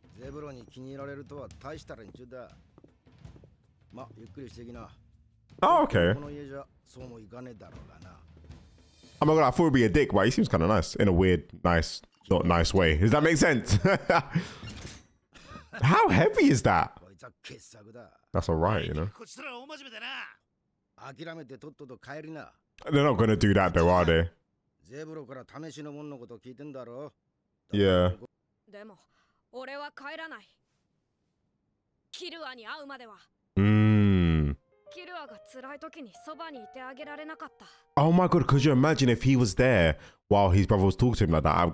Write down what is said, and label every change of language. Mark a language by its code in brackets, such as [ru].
[ja] ゼブロに気に入られるとは大した連中だ。ま、ゆっくりしてきな。 [en] Oh, okay. [ja] この家じゃそうもいかねえだろうがな。 [en] I'm not gonna lie, I thought it would be a dick, but he seems kind of nice in a weird, nice, not nice way. Does that make sense? How heavy is that? That's all right, you know. They're not gonna do that though, are they? [ja] Zebro から試しのもんのこと聞いてんだろ? [en] Yeah. [ja] でも、俺は帰らない。キルアに会うまでは。Mmm. Killua が辛い時にそばにいてあげられなかった。 [en] Oh my god, could you imagine if he was there while his brother was talking to him like that?